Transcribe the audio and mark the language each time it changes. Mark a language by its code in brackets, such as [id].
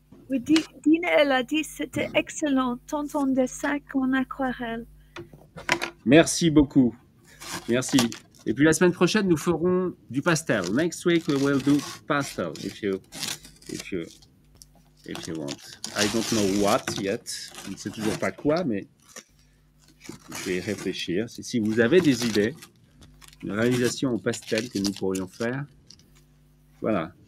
[fr] Oui, Dina, elle a dit, c'était excellent, tant en dessin qu'en aquarelle. Merci beaucoup. Merci. Et puis la semaine prochaine, nous ferons du pastel. [en] Next week, we will do pastel, if you want. I don't know what yet. [fr] Je ne sais toujours pas quoi, mais je vais y réfléchir. Si vous avez des idées, une réalisation au pastel que nous pourrions faire, voilà.